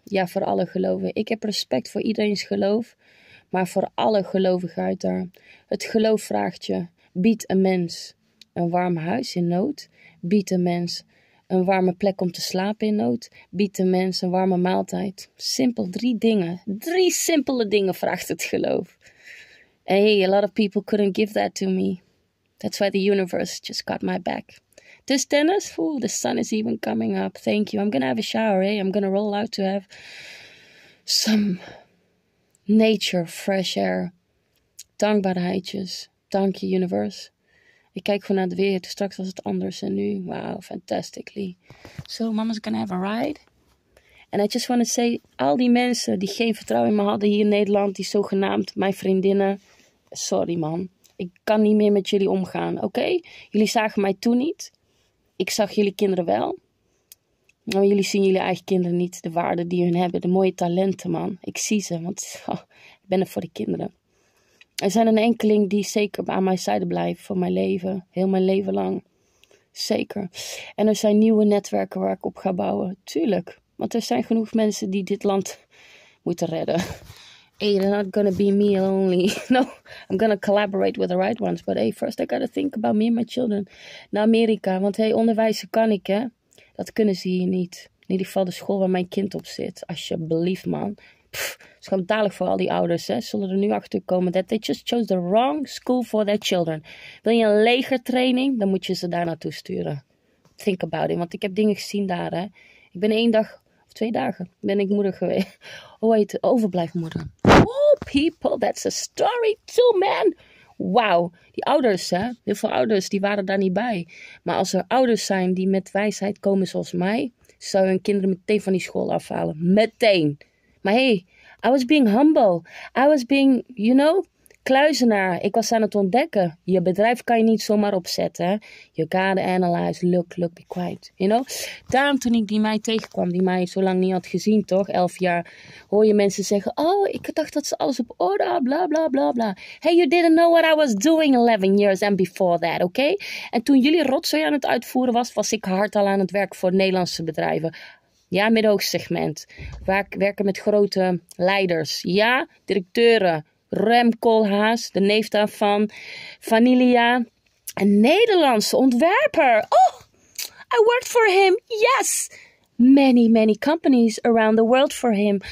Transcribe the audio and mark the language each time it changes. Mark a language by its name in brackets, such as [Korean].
[Dutch] Ja, voor alle gelovigen. Ik heb respect voor iedereens geloof. Maar voor alle gelovigen uit daar. Het geloof vraagt je. Bied een mens een warm huis in nood. Bied een mens een warme plek om te slapen in nood. Bied een mens een warme maaltijd. Simpel, drie dingen. Drie simpele dingen vraagt het geloof. [English] And hey, a lot of people couldn't give that to me. That's why the universe just got my back. This tennis, ooh, the sun is even coming up. Thank you. I'm gonna have a shower, eh? I'm gonna roll out to have some nature, fresh air. [Dutch] Dankbaarheidjes. Dank je, universe. Ik kijk gewoon naar het weer. Straks was het anders en nu. [English] Wow, fantastically. So, mama's gonna have a ride. And I just want to say, [Dutch] al die mensen die geen vertrouwen in me hadden hier in Nederland, die zogenaamd mijn vriendinnen. Sorry, man. Ik kan niet meer met jullie omgaan, oké? Okay? Jullie zagen mij toen niet. Ik zag jullie kinderen wel. Maar jullie zien jullie eigen kinderen niet. De waarde die hun hebben. De mooie talenten, man. Ik zie ze, want oh, ik ben er voor de kinderen. Er zijn een enkeling die zeker aan mijn zijde blijft voor mijn leven. Heel mijn leven lang. Zeker. En er zijn nieuwe netwerken waar ik op ga bouwen. Tuurlijk. Want er zijn genoeg mensen die dit land moeten redden. [English] Hey, they're not gonna be me only. No, I'm gonna collaborate with the right ones. But hey, first I gotta think about me and my children. [Dutch] Naar Amerika. Want hey, onderwijzen kan ik, hè. Dat kunnen ze hier niet. In ieder geval de school waar mijn kind op zit. Alsjeblieft, man. Schandalig voor al die ouders, hè. Zullen er nu achter komen [English] that they just chose the wrong school for their children. [Dutch] Wil je een legertraining? Dan moet je ze daar naartoe sturen. [English] Think about it. [Dutch] Want ik heb dingen gezien daar, hè. Ik ben één dag, of twee dagen, ben ik moeder geweest. Hoe heet het? Overblijfmoeder. [English] Oh, people, that's a story too, man. [Dutch] Wauw. Die ouders, hè. Heel veel ouders, die waren daar niet bij. Maar als er ouders zijn die met wijsheid komen zoals mij, zou je hun kinderen meteen van die school afhalen. Meteen. Maar hey, [English] I was being humble. I was being, you know, kluizenaar. [Dutch] Ik was aan het ontdekken. Je bedrijf kan je niet zomaar opzetten. Je kader analyse, [English] look, be quiet. You know? [Dutch] Daarom toen ik die meid tegenkwam, die mij zo lang niet had gezien, toch? 11 jaar. Hoor je mensen zeggen, oh, ik dacht dat ze alles op orde had, bla, bla, bla, bla. [English] Hey, you didn't know what I was doing 11 years and before that, okay? [Dutch] En toen jullie rotzooi aan het uitvoeren was, was ik hard al aan het werk voor Nederlandse bedrijven. Ja, middenhoogsegment. Waar ik werken met grote leiders. Ja, directeuren. Rem Koolhaas, de neef daarvan. Vanilia. Een Nederlandse ontwerper. [English] Oh, I worked for him. Yes. Many, many companies around the world for him.